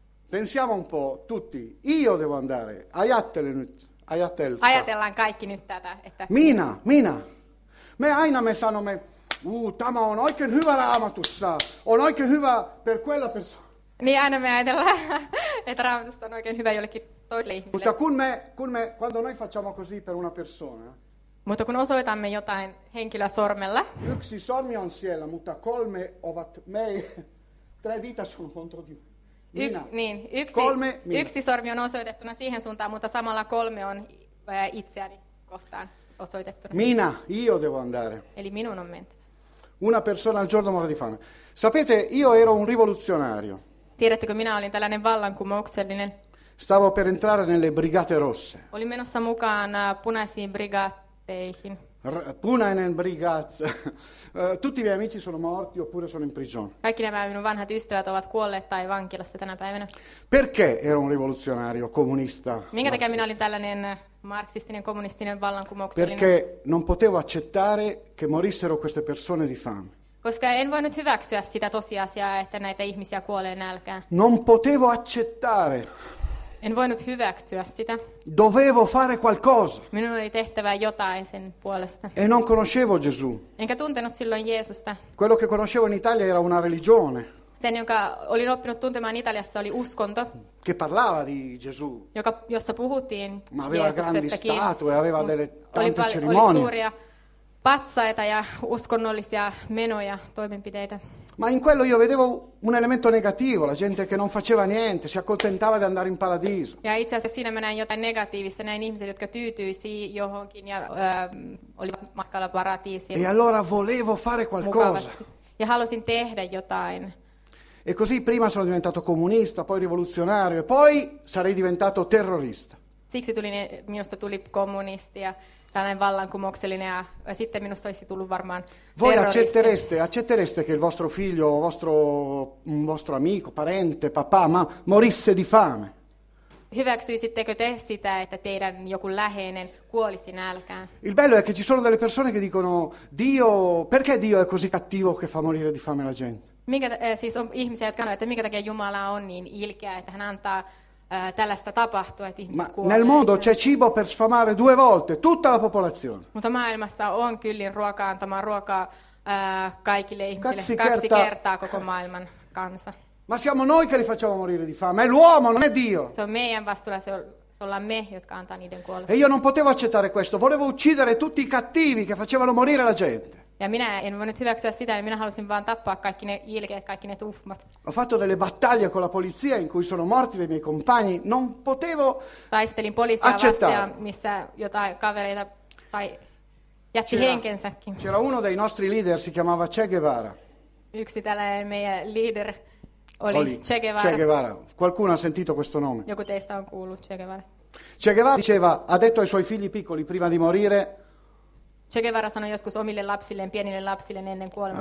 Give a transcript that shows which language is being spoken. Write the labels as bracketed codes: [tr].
[it] Pensiamo un po' tutti, io devo andare, [fi] ajattele nyt. Ajatellaan kaikki nyt tätä, että minä. Me aina me sanomme, tämä on oikein hyvä Raamatussa, on oikein hyvä [it] per quella persona. [fi] Niin aina me ajatellaan, että Raamatussa on oikein hyvä jollekin toiselle ihmiselle. Mutta kun me, [it] quando noi facciamo così per una persona. [fi] Mutta kun osoitamme jotain henkilöä sormella. Yksi sormi on siellä, mutta kolme ovat mei, [it] tre dita sono contro di me. [fi] Yksi sormi on osoitettuna siihen suuntaan, mutta samalla kolme on itseäni kohtaan osoitettuna. [it] Minä, io devo andare. [fi] Eli minun on mentävä. [it] Una persona al giorno muore di fame. Sapete, io ero un rivoluzionario. [fi] Tiedättekö, minä olin tällainen vallankumouksellinen. [it] Stavo per entrare nelle brigate rosse. [fi] Olin menossa mukaan punaisiin brigatteihin. Punainen brigazza. [it] Tutti i miei amici sono morti oppure sono in prigione. [fi] Kaikki nämä minun vanhat ystävät ovat kuolleet tai vankilassa tänä päivänä. [it] Perché ero un rivoluzionario comunista? [fi] Minkä takia minä olin tällainen marxistinen, kommunistinen, vallankumouksellinen? [it] Perché non potevo accettare che morissero queste persone di fame. [fi] Koska en voinut hyväksyä sitä tosiasiaa, että näitä ihmisiä kuolee nälkään. [it] Non potevo accettare. [fi] En voinut hyväksyä sitä. [it] Dovevo fare qualcosa. [fi] Minun oli tehtävä jotain sen puolesta. [it] E non conoscevo Gesù. [fi] Enkä tuntenut silloin Jeesusta. [it] Quello che conoscevo in Italia era una religione. [fi] Sen, jonka olin oppinut tuntemaan Italiassa, oli uskonto. [it] Che parlava di Gesù. [fi] Jossa puhuttiin Jeesuksestakin. [it] Ma aveva grandi statue, aveva delle tante cerimonie. [fi] Oli suuria patsaita ja uskonnollisia menoja, toimenpiteitä. [it] Ma in quello io vedevo un elemento negativo, la gente che non faceva niente, si accontentava di andare in paradiso. [fi] Ja itse asiassa siinä mä näin jotain negatiivista, näin ihmiset, jotka tyytyisivät johonkin ja olivat matkalla paratiisiin. [it] E allora volevo fare qualcosa. [fi] Mukavasti. Ja halusin tehdä jotain. [it] E così prima sono diventato comunista, poi rivoluzionario e poi sarei diventato terrorista. [fi] Siksi minusta tuli kommunisti ja tällainen vallankumouksellinen ja sitten minusta olisi tullut varmaan terroristi. [it] Voi accettereste che il vostro figlio, un vostro amico, parente, papà, ma morisse di fame? [fi] Hyväksyisittekö te sitä, että teidän joku läheinen kuolisi nälkään? [it] Il bello è che ci sono delle persone che dicono, Dio, perché Dio è così cattivo che fa morire di fame la gente? [fi] Siis on ihmisiä, jotka sanoo, että minkä takia Jumala on niin ilkeä, että hän antaa tällaista tapahtuu, että ihmiset kuolevat. [it] Nel mondo c'è cibo per sfamare due volte tutta la popolazione. [fi] Mutta maailmassa on kyllin ruokaa antamaan ruokaa kaikille ihmisille kaksi kertaa koko maailman kansa. [it] Ma siamo noi che li facciamo morire di fame, è l'uomo, non è Dio. [fi] Se on meidän vastuulla, se ollaan me, jotka antaa niiden kuolla. [it] E io non potevo accettare questo, volevo uccidere tutti i cattivi che facevano morire la gente. [fi] Ja minä en voinut hyväksyä sitä, ja minä halusin vaan tappaa kaikki ne ilkeet, kaikki ne tuhmat. [it] Ho fatto delle battaglie con la polizia in cui sono morti dei miei compagni, non potevo [fi] taistelin poliisia vastaan, missä jotain kavereita tai jätti henkensäkin. [it] C'era uno dei nostri leader, si chiamava Che Guevara. [fi] Yksi tällainen meidän leader oli Che Guevara. [it] Che Guevara. Qualcuno ha sentito questo nome. [fi] Joku teistä on kuullut Che Guevara. [it] Che Guevara diceva, ha detto ai suoi figli piccoli prima di morire. [fi] Che Guevara sanoi joskus omille lapsilleen, pienille lapsilleen ennen kuolemaa.